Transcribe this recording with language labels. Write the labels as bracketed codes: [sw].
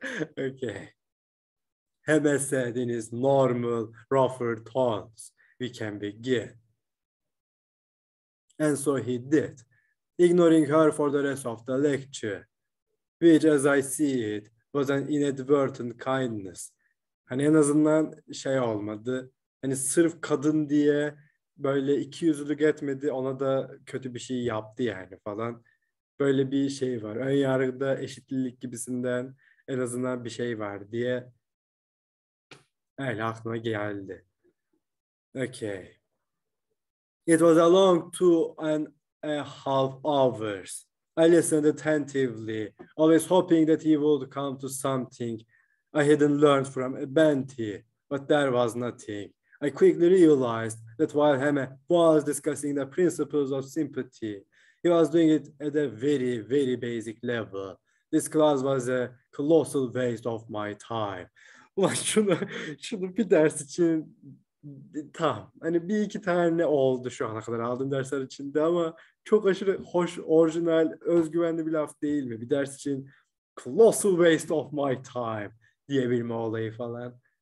[en] Okay. Hemme said in his normal, rougher tones, we can begin. And so he did, ignoring her for the rest of the lecture, which, as I see it, was an inadvertent kindness. [tr] Hani en azından şey olmadı. Hani sırf kadın diye böyle iki yüzlülük etmedi, ona da kötü bir şey yaptı yani falan. Böyle bir şey var. Ön yargıda eşitlilik gibisinden en azından bir şey var diye Öyle aklıma geldi. [en] Okay. It was along 2.5 hours. I listened attentively, always hoping that he would come to something I hadn't learned from Benty, but there was nothing. I quickly realized that while Hema was discussing the principles of sympathy, he was doing it at a very, very basic level. This class was a colossal waste of my time. [tr] Ulan şunu bir ders için tam. Hani bir iki tane oldu şu ana kadar aldığım dersler içinde ama çok aşırı hoş, orijinal, özgüvenli bir laf değil mi? Bir ders için [en] colossal waste of my time [tr] diyebilme olayı falan.